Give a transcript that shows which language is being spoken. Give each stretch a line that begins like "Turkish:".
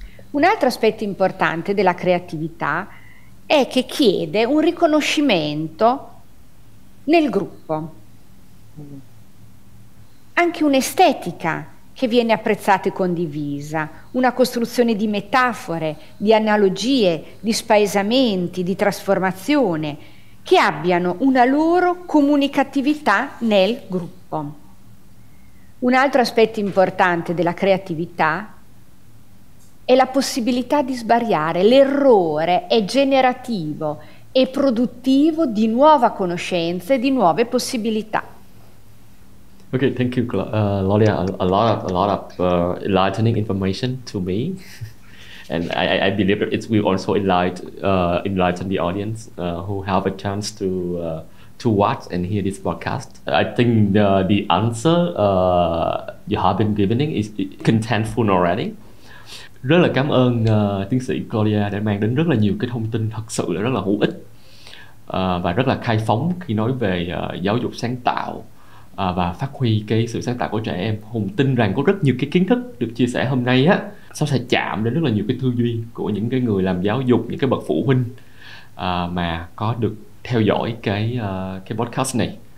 Italian: Un altro aspetto importante della creatività è che chiede un riconoscimento nel gruppo, anche un'estetica che viene apprezzata e condivisa, una costruzione di metafore, di analogie, di spaesamenti, di trasformazione, che abbiano una loro comunicatività nel gruppo. Un altro aspetto importante della creatività è la possibilità di sbagliare. L'errore è generativo e produttivo di nuova conoscenza e di nuove possibilità.
English: Okay, thank you, Claudia. A lot of enlightening information to me, and I believe that it will also enlighten the audience who have a chance to watch and hear this broadcast. I think the answer you have been giving is contentful already.
Vietnamese: Rất là cảm ơn tiến sĩ Claudia đã mang đến rất là nhiều cái thông tin thật sự là rất là hữu ích và rất là khai phóng khi nói về giáo dục sáng tạo. Và phát huy cái sự sáng tạo của trẻ em. Hùng tin rằng có rất nhiều cái kiến thức được chia sẻ hôm nay á, sau sẽ chạm đến rất là nhiều cái tư duy của những cái người làm giáo dục, những cái bậc phụ huynh mà có được theo dõi cái podcast này.